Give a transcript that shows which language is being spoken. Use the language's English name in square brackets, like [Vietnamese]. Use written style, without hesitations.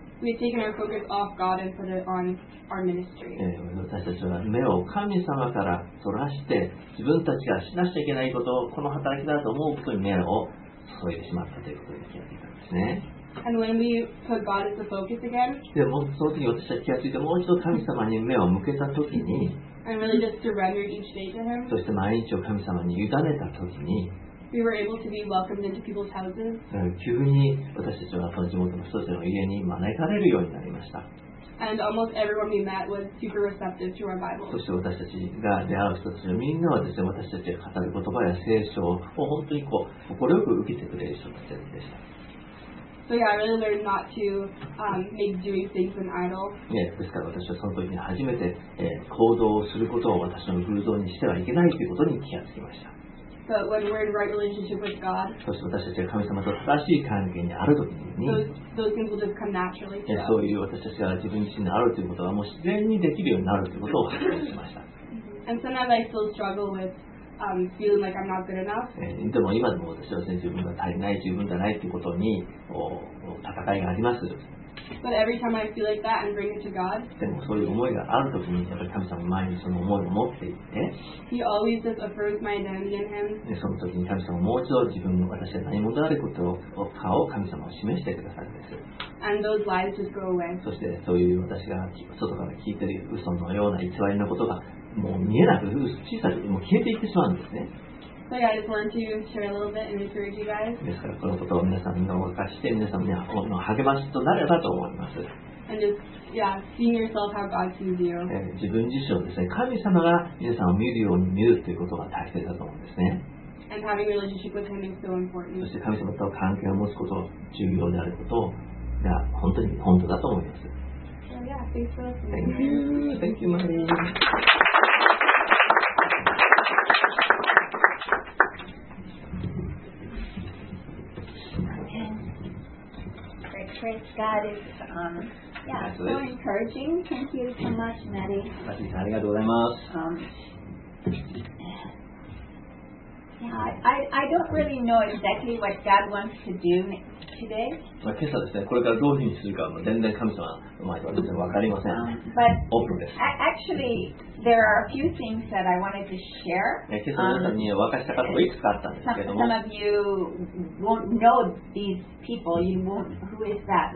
[English] We've taken our focus off God and put it on our ministry. [Japanese] 私たちは目を神様からそらして、自分たちがしなくちゃいけないことを、この働きだと思うことに目を注いでしまったということに気がついたんですね。 [English] And when we put God as the focus again, [Japanese] でもその時に私たち気がついて、もう一度神様に目を向けた時に、 [English] And really just surrendered each day to Him. [Japanese] そして毎日を神様に委ねた時に、 [English] We were able to be welcomed into people's houses. [Japanese] 急に私たちはその地元の人たちの家に招かれるようになりました。 [English] And almost everyone we met was super receptive to our Bible. [Japanese] そして私たちが出会う人たちのみんなはですね、私たちが語る言葉や聖書を本当にこう心よく受けてくれる人たちでした。 [English] So yeah, I really learned not to make doing things an idol. [Japanese] Yeah, ですから私はその時に初めて、行動をすることを私の偶像にしてはいけないということに気がつきました。 [English] But when we're in right relationship with God, [Japanese] そして私たちが神様と正しい関係にある時に、 [English] those things will just come naturally. [Japanese] Yeah, そういう私たちが自分自身であるということはもう自然にできるようになるということを発見しました。 [English] And sometimes I still struggle with. Feeling like I'm not good enough. [Japanese] でも今でも私は、ね、自分が足りない、十分じゃないということに戦いがあります。 [English] But every time I feel like that and bring it to God, [Japanese] でもそういう思いがあるときに、やっぱり神様の前にその思いを持っていって、 [English] He always just affirms my identity in Him. [Japanese] でその時に神様はもう一度自分の私は何者であることを、顔を神様を示してくださるんです。 [English] And those lies just go away. [Japanese] そしてそういう私が外から聞いている嘘のような偽りのことが、もう見えなく小さくもう消えていってしまうんですね。 [English] So yeah, I just wanted to share a little bit and encourage you guys. [Japanese] ですからこのことを皆さんにお任せして皆さんの励ましとなればと思います。 [English] And just yeah, seeing yourself how God sees you. [Japanese] 自分自身をですね、神様が皆さんを見るように見るということが大切だと思うんですね。 [English] And having a relationship with Him is so important. [Japanese] そして神様と関係を持つこと重要であることが本当に本当だと思います。 [English] Yeah, thanks for listening. Thank you, Marie. Praise God is so encouraging. Thank you so much, Maddie. [Japanese] ありがとうございます。 [English] I don't really know exactly what God wants to do today. [Japanese] まあ今朝ですね、これからどういうふうにするかも全然神様の前では全然わかりません。 [English] But [Japanese] オープンです。 [English] Actually, there are a few things that I wanted to share. [Japanese] 今朝皆さんに分かしたかったこといくつかあったんですけども。 [English] Some of you won't know these people. You won't. Who is that?